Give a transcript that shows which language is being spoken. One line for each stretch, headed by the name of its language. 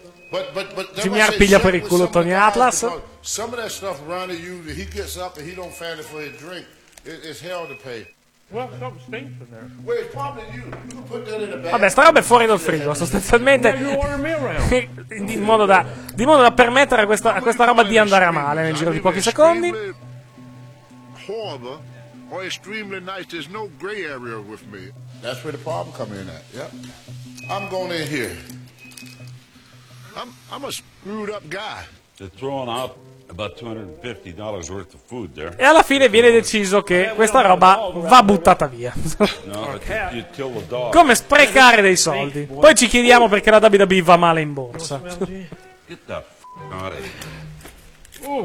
English: But Jimmy
Italian: piglia per il culo
English: Tony Atlas. Some of that stuff Ronnie used, he gets up and he don't find it for his drink. It's hell to pay. Well, something stinks in there. Well, it's probably you. You can put that in a bag.
Italian: Vabbè, sta roba è fuori dal frigo, sostanzialmente. in modo da permettere a questa roba di andare a male nel giro di pochi secondi.
English: Horrible or extremely nice. There's no gray area with me. That's where the problem come in at. Yep. I'm going in here. I'm a screwed up guy. They're throwing out about $250 worth of food there.
Italian: E alla fine viene deciso che questa roba va buttata via. Come sprecare dei soldi. Poi ci chiediamo perché la WWE va male in borsa.
English: Get the f*** out of here.